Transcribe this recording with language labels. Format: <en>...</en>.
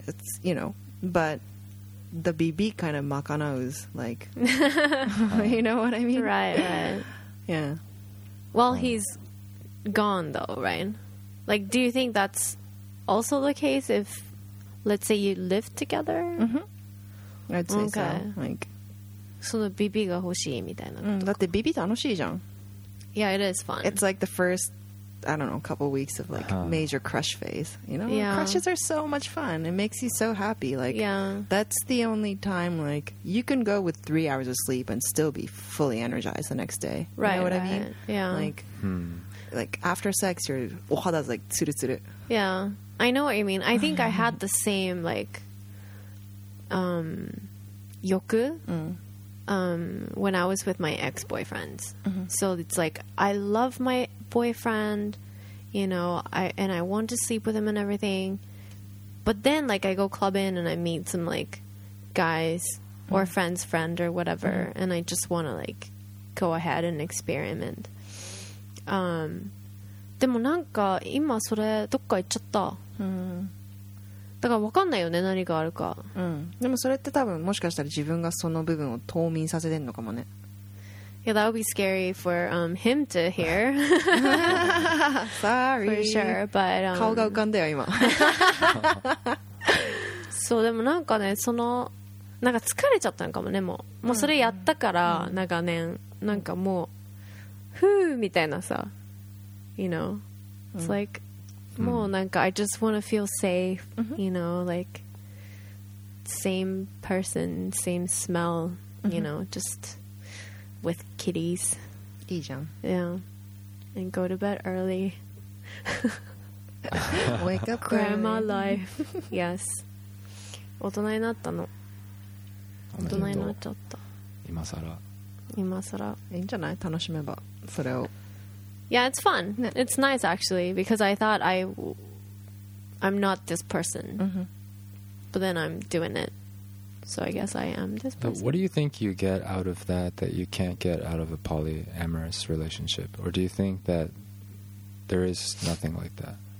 <en>It's, you know, but the ビビ kind of makanaus, like, you know what I mean? Right. Yeah. Well, he's gone though, right? Like, do you think that's also the case if, let's say, you live together? Mm-hmm. I'd say okay. So. Like,</en> <ja>そのビビが欲しいみたいなの。だってビビ楽しいじゃん。</ja> <en>Yeah, it is fun. It's like the first, I don't know, couple weeks of like major crush phase. You know, crushes are so much fun. It makes you so happy. Like, that's the only time like you can go with 3 hours of sleep and still be fully energized the next day. Right. You know what I mean? Yeah. Like, like after sex, your お肌's like tsuru tsuru. Yeah, I know what you mean. I think I had the same like. Yoku, when I was with my ex-boyfriends. So it's like, I love my boyfriend, you know, I want to sleep with him and everything. But then, like, I go clubbing and I meet some, like, guys or friend's friend or whatever, and I just want to, like, go ahead and experiment.</en> <ja>でもなんか今それどっか行っちゃった。だから分かんないよね、何があるか。でもそれって多分もしかしたら自分がその部分を冬眠させてんのかもね。</ja> <en>Yeah, that would be scary for him to hear. Sorry. For sure, but</en> <ja>顔が浮かんだよ今。そう、でもなんかね、そのなんか疲れちゃったのかもね、もうそれやったから長年、なんかもうふうみたいなさ、</ja> <en>You know, it's like、もうなんか I just want to feel safe、you know, like same person, same smell、you know, just with kitties.</en> <ja>いいじゃん。</ja> <en>Yeah, and go to bed early. Wake up grandma life. Yes.</en> <ja>大人になったの。大人になっちゃった。今更いいんじゃない、楽しめばそれを。</ja> <en>Yeah, it's fun. It's nice, actually, because I thought I'm not this person. But then I'm doing it. So I guess I am this person. But what do you think you get out of that that you can't get out of a polyamorous relationship? Or do you think that there is nothing like that?</en>